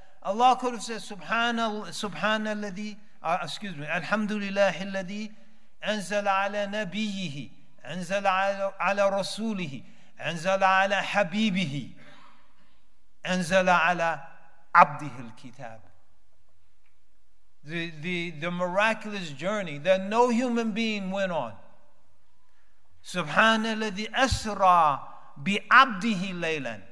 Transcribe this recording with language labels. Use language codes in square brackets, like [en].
[en] Allah could have said, [ar] alhamdulillah, alladhi أنزل على نبيه أنزل على رسوله أنزل على حبيبه أنزل على عبده الكتاب. [en] The miraculous journey that no human being went on. [ar] سبحان الذي أسرى بعبده ليلا.